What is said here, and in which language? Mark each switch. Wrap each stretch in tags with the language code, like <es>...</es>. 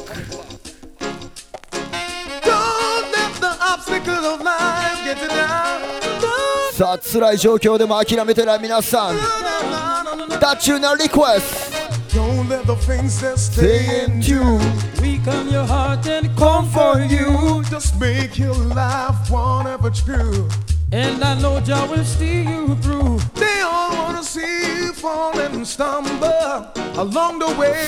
<en>Don't let the obstacles of life get you down.</en> <ja>さあ、辛い状況でも諦めてない皆さん。</ja> <en>That's your request. Don't let the things that stay in you weaken your heart and comfort you. Just make your life one ever true. And I know Jah will see you through. They all wanna see you fall and stumble along the way.</en>